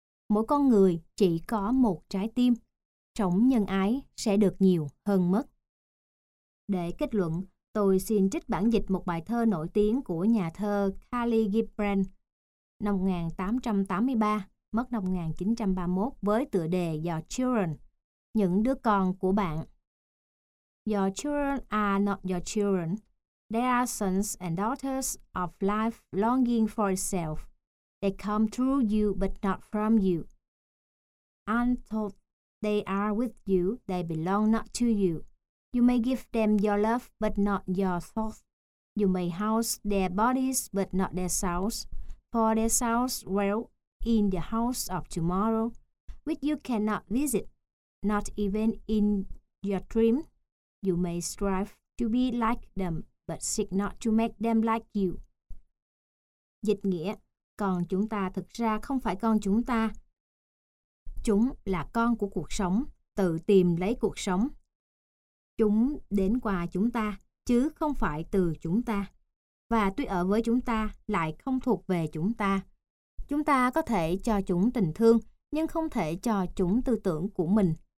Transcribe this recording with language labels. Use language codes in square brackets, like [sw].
[vi] Mỗi con người chỉ có một trái tim, trống nhân ái sẽ được nhiều hơn mất. Để kết luận, tôi xin trích bản dịch một bài thơ nổi tiếng của nhà thơ Khalil Gibran, năm 1883, mất năm 1931, với tựa đề Your Children, những đứa con của bạn. [en] Your children are not your children. They are sons and daughters of life longing for itself. They come through you but not from you. Untold, they are with you, they belong not to you. You may give them your love but not your thoughts. You may house their bodies but not their souls, for their souls dwell in the house of tomorrow, which you cannot visit, not even in your dream. You may strive to be like them but seek not to make them like you. [vi] Dịch nghĩa: còn chúng ta thực ra không phải con chúng ta. Chúng là con của cuộc sống, tự tìm lấy cuộc sống. Chúng đến qua chúng ta, chứ không phải từ chúng ta. Và tuy ở với chúng ta, lại không thuộc về chúng ta. Chúng ta có thể cho chúng tình thương, nhưng không thể cho chúng tư tưởng của mình.